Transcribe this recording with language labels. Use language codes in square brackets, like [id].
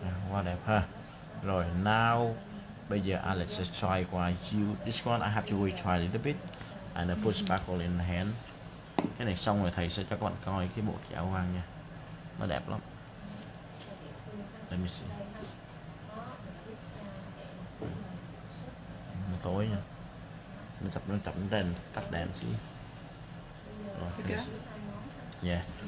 [vi] Quá đẹp ha. Rồi [en] now [vi] bây giờ Alex sẽ [en] try [vi] qua you. [en] This one I have to retry a little bit and I put sparkle in the hand. [vi] Cái này xong rồi thầy sẽ cho các bạn coi cái bộ giáo quan nha. Nó đẹp lắm. [en] Let me see. [vi] Nó tối nha. Mình tập đèn, tắt đèn xí. Rồi, yeah.